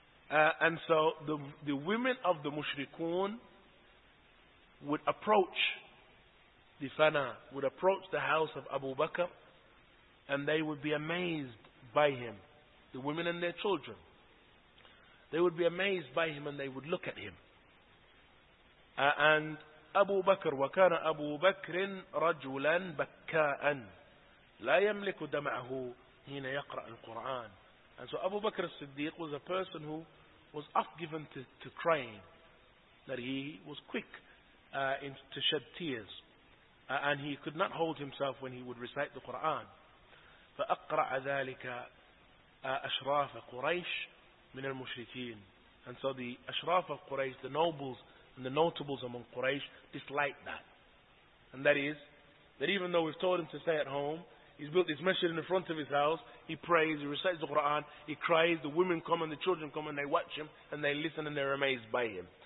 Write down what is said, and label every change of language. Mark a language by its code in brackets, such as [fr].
[en] And so the women of the mushrikun would approach the fana, would approach the house of Abu Bakr, and they would be amazed by him, the women and their children. They would be amazed by him and they would look at him. And Abu Bakr, [ar] وَكَانَ أَبُو بَكْرٍ رَجُلًا بَكَّاءً لَا يَمْلِكُ دَمَعَهُ هِنَ يَقْرَأَ الْقُرْآنَ. [en] And so Abu Bakr al-Siddiq was a person who was oft given to crying, that he was quick to shed tears, and he could not hold himself when he would recite the Qur'an. [ar] فَأَقْرَعَ ذَلِكَ أَشْرَافَ قُرَيْشٍ من المشركين. [en] And so the ashraf of Quraysh, the nobles and the notables among Quraysh, disliked that. And that is, that even though we've told him to stay at home, he's built this masjid in the front of his house, he prays, he recites the Quran, he cries, the women come and the children come and they watch him and they listen and they're amazed by him.